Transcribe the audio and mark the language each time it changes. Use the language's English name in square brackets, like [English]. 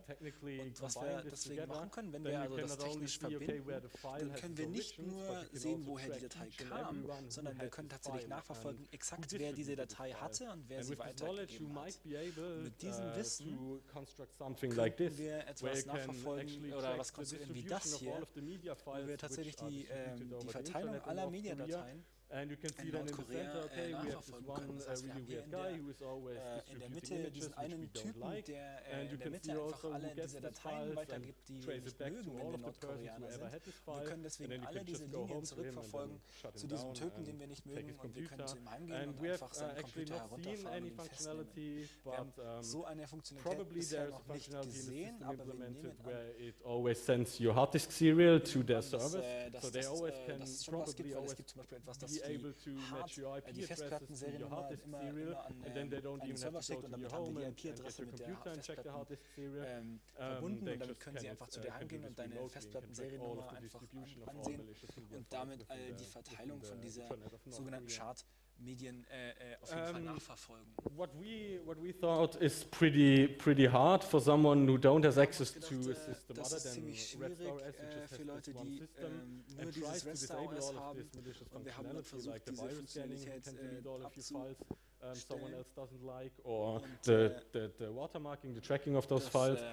[German] Und was wir deswegen machen können, wenn wir also das technisch verbinden, dann können wir nicht nur sehen, woher die Datei kam, sondern wir können tatsächlich nachverfolgen, exakt wer diese Datei hatte und wer sie weitergegeben hat. Mit diesem Wissen können wir etwas nachverfolgen oder was konstruieren wie das hier, wo wir tatsächlich die Verteilung aller Mediadateien [English] and you can see that in the center, okay, we have this one really weird guy who is always distributing images, which we don't like. And you can see also who gets the files and trace it back to all of the persons who ever had this file. And then you can just go home to him and then shut him down and take his computer. And we have actually not seen any functionality, but probably there is a functionality in the system implemented where it always sends your hard disk serial to their service. So they always can probably always be able to match your IP address to your hard disk serial, and then they don't even have to go to your home and get your computer and check the hard disk serial. [German] Verbunden und damit können sie einfach zu dir heimgehen und deine Festplattenseriennummer einfach ansehen und damit all die Verteilung von dieser sogenannten Chart Medien auf jeden Fall nachverfolgen. [English] What we thought is pretty hard for someone who don't have access to a system other than RedStar OS, which just has this one system, and tries to disable all of this malicious functionality, like the virus scanning can delete all of your files someone else doesn't like, or the watermarking, the tracking of those files.